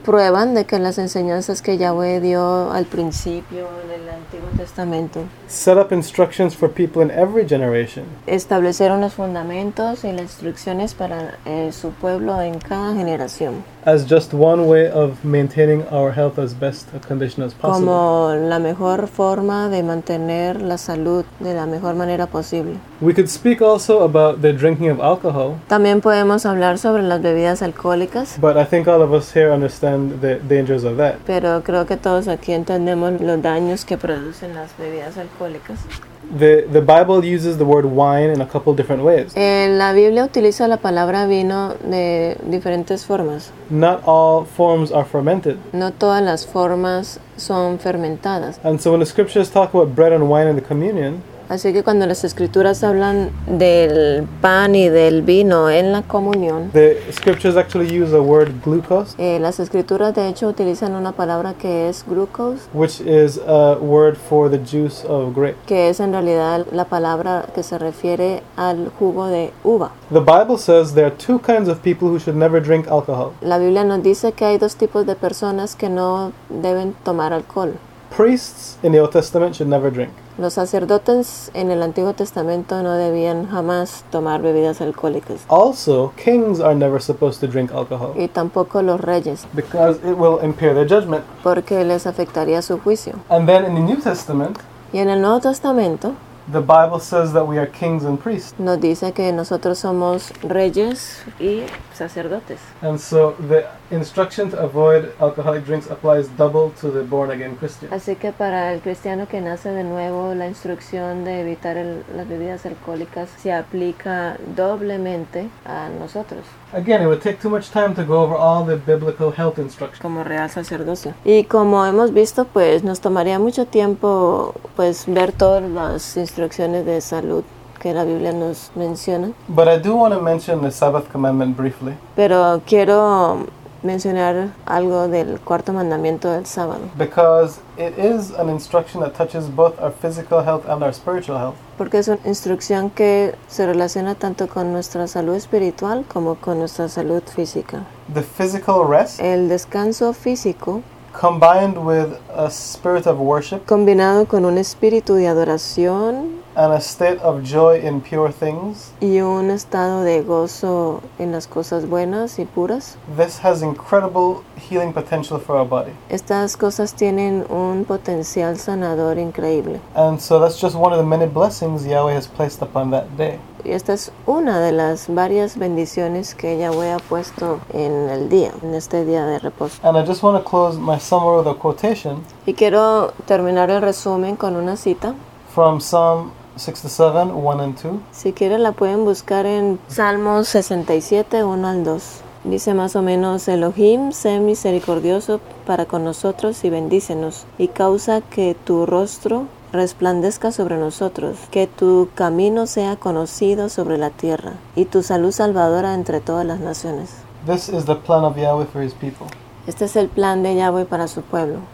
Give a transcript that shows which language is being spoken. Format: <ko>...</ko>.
<es>prueban de que las enseñanzas que Yahweh dio al principio del Antiguo Testamento</es> <en>set up instructions for people in every generation.</en> <es>Establecieron los fundamentos y las instrucciones para su pueblo en cada generación.</es> <en>As just one way of maintaining our health as best a condition as possible.</en> <es>Como la mejor forma de mantener la salud de la mejor manera posible.</es> <en>We could speak also about the drinking of alcohol.</en> <es>También podemos hablar sobre las bebidas alcohólicas.</es> <en>But I think all of us here understand the dangers of that.</en> <es>Pero creo que todos aquí entendemos los daños que producen las bebidas alcohólicas.</es> <en>The Bible uses the word wine in a couple different ways.</en> <es>La Biblia utiliza la palabra vino de diferentes formas.</es> <en>Not all forms are fermented.</en> <es>No todas las formas son fermentadas.</es> <en>And so when the scriptures talk about bread and wine in the communion,</en> <es>así que cuando las escrituras hablan del pan y del vino en la comunión,</es> <en>the scriptures actually use the word glucose.</en> <es>Las escrituras de hecho utilizan una palabra que es glucose,</es> <en>which is a word for the juice of grape.</en> <es>Que es en realidad la palabra que se refiere al jugo de uva.</es> <en>The Bible says there are two kinds of people who should never drink alcohol.</en> <es>La Biblia nos dice que hay dos tipos de personas que no deben tomar alcohol.</es> <en>priests in the Old Testament should never drink.</en> <es>Los sacerdotes en el Antiguo Testamento no debían jamás tomar bebidas alcohólicas.</es> <en>Also, kings are never supposed to drink alcohol.</en> <es>Y tampoco los reyes.</es> <en>Because it will impair their judgment.</en> <es>Porque les afectaría su juicio.</es> <en>And then in the New Testament,</en> <es>y en el Nuevo Testamento,</es> <en>the Bible says that we are kings and priests.</en> <es>Nos dice que nosotros somos reyes y sacerdotes.</es> <en>And so the instruction to avoid alcoholic drinks applies double to the born again Christian.</en> <es>Así que para el cristiano que nace de nuevo, la instrucción de evitar las bebidas alcohólicas se aplica doblemente a nosotros.</es> <en>Again, it would take too much time to go over all the biblical health instructions.</en> <es>Como real sacerdocio. Y como hemos visto, pues nos tomaría mucho tiempo pues ver todas las instrucciones de salud que la Biblia nos menciona.</es> <en>But I do want to mention the Sabbath commandment briefly.</en> <es>Pero quiero mencionar algo del cuarto mandamiento del sábado.</es> <en>Because it is an instruction that touches both our physical health and our spiritual health.</en> <es>Porque es una instrucción que se relaciona tanto con nuestra salud espiritual como con nuestra salud física.</es> <en>The physical rest,</en> <es>el descanso físico,</es> <en>combined with a spirit of worship,</en> <es>combinado con un espíritu de adoración,</es> <en>and a state of joy in pure things,</en> <es>y un estado de gozo en las cosas buenas y puras,</es> <en>this has incredible healing potential for our body.</en> <es>Estas cosas tienen un potencial sanador increíble.</es> <en>And so that's just one of the many blessings Yahweh has placed upon that day.</en> <es>Y esta es una de las varias bendiciones que Yahweh ha puesto en el día, en este día de reposo.</es> <en>And I just want to close my summary with a quotation.</en> <es>Y quiero terminar el resumen con una cita.</es> <en>From Psalm 67, 1 and 2.</en> <es>Si quieren la pueden buscar en Salmos 67, 1 al 2. Dice más o menos: Elohim, sé misericordioso para con nosotros y bendícenos, y causa que tu rostro resplandezca sobre nosotros, que tu camino sea conocido sobre la tierra, y tu salud salvadora entre todas las naciones.</es> <en>This is the plan of Yahweh for his people.</en> <es>Este es el plan de Yahweh para su pueblo.</es>